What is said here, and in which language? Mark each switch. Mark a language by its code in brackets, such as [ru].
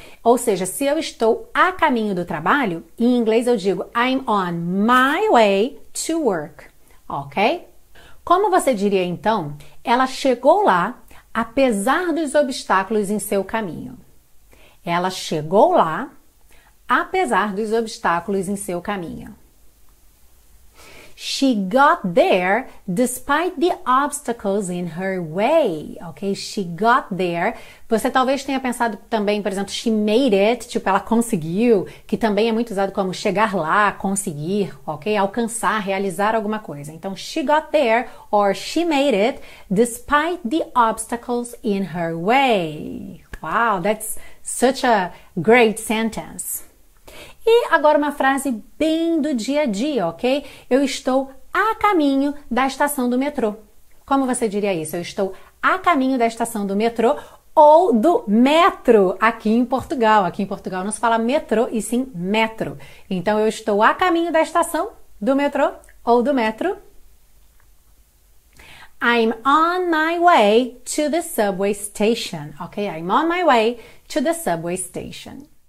[pt] Ou seja, se eu estou a caminho do trabalho, em inglês eu digo [en] I'm on my way to work, [pt] ok? Como você diria então, ela chegou lá apesar dos obstáculos em seu caminho? Ela chegou lá apesar dos obstáculos em seu caminho. [en] She got there despite the obstacles in her way, ok? She got there. [pt] Você talvez tenha pensado também, por exemplo, [en] she made it, [pt] tipo, ela conseguiu, que também é muito usado como chegar lá, conseguir, ok? Alcançar, realizar alguma coisa. [en] Então, she got there or she made it despite the obstacles in her way. Wow, that's such a great sentence. [pt] E agora uma frase bem do dia a dia, ok? Eu estou a caminho da estação do metrô. Como você diria isso? Eu estou a caminho da estação do metrô ou do metro aqui em Portugal. Aqui em Portugal não se fala metrô e sim metro. Então eu estou a caminho da estação do metrô ou do metro. [en] I'm on my way to the subway station, ok? I'm on my way to the subway station.